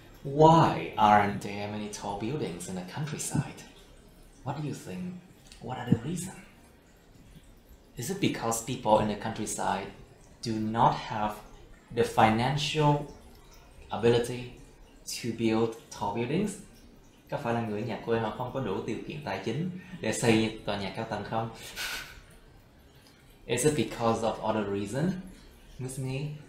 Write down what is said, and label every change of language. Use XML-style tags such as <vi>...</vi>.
<en>Why aren't there many tall buildings in the countryside? What do you think? What are the reasons? Is it because people in the countryside do not have the financial ability to build tall buildings?</en> <vi>Có phải là người nhà quê họ không có đủ điều kiện tài chính để xây tòa nhà cao tầng không?</vi> <en>Is it because of other reason, Miss Nghi?</en>